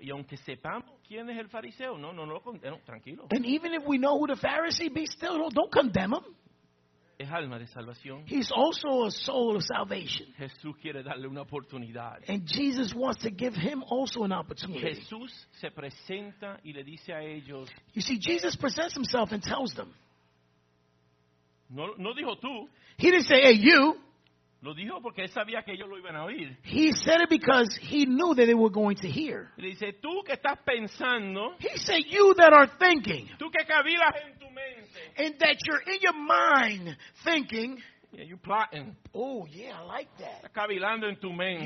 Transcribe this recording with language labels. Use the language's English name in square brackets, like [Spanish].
[Spanish] Y aunque sepamos quién es el fariseo, no, tranquilo. [English] And even if we know who the Pharisee be, still don't condemn him. [Spanish] Es alma de salvación. [English] He's also a soul of salvation. [Spanish] Jesús quiere darle una oportunidad. [English] And Jesus wants to give him also an opportunity. [Spanish] Jesús se presenta y le dice a ellos. [English] You see, Jesus presents himself and tells them. [Spanish] No dijo tú. [English] He didn't say, hey, you. [Spanish] Lo dijo porque él sabía que ellos lo iban a oír. [English] He said it because he knew that they were going to hear. [Spanish] Le dice, tú que estás pensando. [English] He said, you that are thinking. [Spanish] Tú que cavilas en tu mente. [English] And that you're in your mind thinking. Yeah, you plotting. Oh, yeah, I like that. [Spanish] Estás cavilando en tu mente.